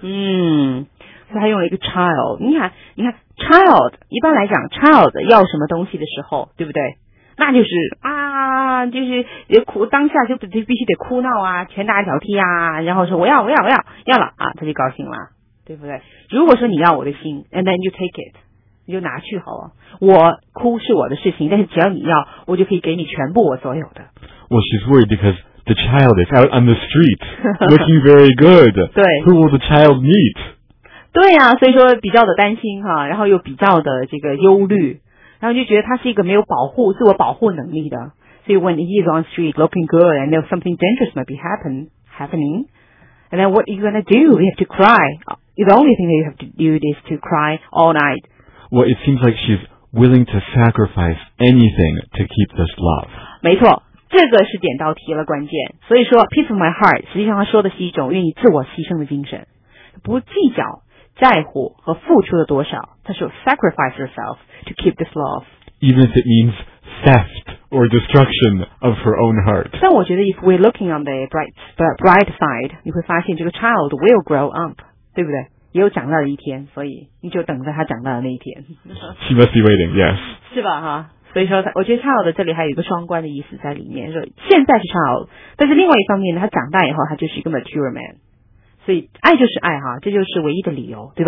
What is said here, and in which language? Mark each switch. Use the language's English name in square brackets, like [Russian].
[Chinese] 嗯，所以他用了一个 child。你看 ，child， 一般来讲 ，child 要什么东西的时候，对不对？那就是啊，就是哭，当下就必须得哭闹啊，拳打脚踢啊，然后说我要了啊，他就高兴了，对不对？如果说你要我的心 ， [English] and then you take it。 [Chinese] 你就拿去好了，我哭是我的事情，但是只要你要，我就可以给你全部我所有的。 [English] Well, she's worried because the child is out on the street looking very good. [Chinese] 对。 [English] Who will the child meet? [Chinese] 对啊，所以说比较的担心哈，然后又比较的这个忧虑，然后就觉得他是一个没有保护，自我保护能力的。 [English] So when he's on the street looking good and there's something dangerous might be happening, and then what are you going to do? You have to cry. The only thing that you have to do is to cry all night. Well, it seems like she's willing to sacrifice anything to keep this love. [Chinese] 没错，这个是点到题了关键。所以说 , [English] peace of my heart, [Chinese] 实际上说的是一种愿意自我牺牲的精神。不计较在乎和付出了多少，他说 [English] sacrifice herself to keep this love. Even if it means theft or destruction of her own heart. [Chinese] 但我觉得 [English] if we're looking on the bright side, [Chinese] 你会发现这个 [English] child will grow up, [Chinese] 对不对？也有长大的一天，所以你就等着他长大的那一天。 [English] She must be waiting, yes. [Chinese] 是吧哈？所以说我觉得 child 这里还有一个双关的意思在里面，说现在是 child， 但是另外一方面呢，他长大以后他就是一个 mature man。所以爱就是爱哈，这就是唯一的理由，对吧？